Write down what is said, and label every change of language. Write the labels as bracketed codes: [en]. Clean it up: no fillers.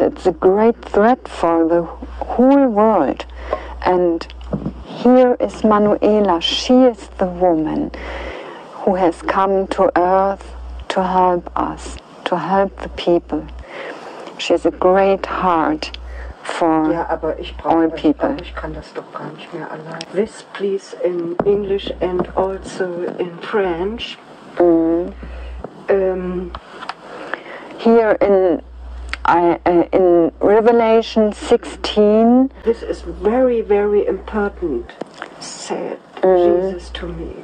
[en] It's a great threat for the whole world. And here is Manuela. She is the woman who has come to earth to help us, to help the people. She has a great heart. [de] Ja, aber ich brauche das, ich kann das doch gar nicht mehr allein. [en] This please in English and also in French. Mm. Here in Revelation 16. This is very, very important, said Jesus to me.